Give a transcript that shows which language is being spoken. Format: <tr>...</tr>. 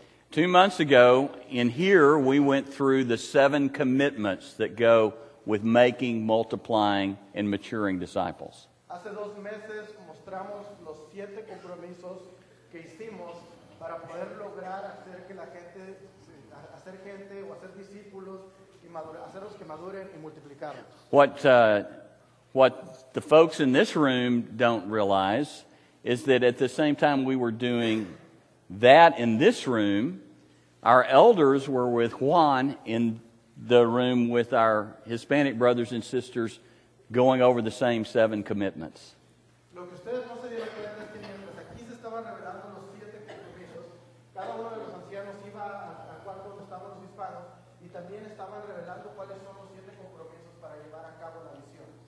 <en>Two months ago, in here, we went through the seven commitments that go with making, multiplying, and maturing disciples.</en> <es>Hace dos meses mostramos los siete compromisos que hicimos para poder lograr hacer que la gente, hacer gente o hacer discípulos y hacerlos que maduren y multiplicarlos.</es> <en>What the folks in this room don't realize is that at the same time we were doing that in this room, our elders were with Juan in the room with our Hispanic brothers and sisters going over the same seven commitments.</en> <es>Lo que ustedes no se dieron cuenta es que mientras aquí se estaban revelando los siete compromisos, cada uno de los ancianos iba al cuarto donde estaban los hispanos y también estaban revelando cuáles son los siete compromisos para llevar a cabo la misión.</es>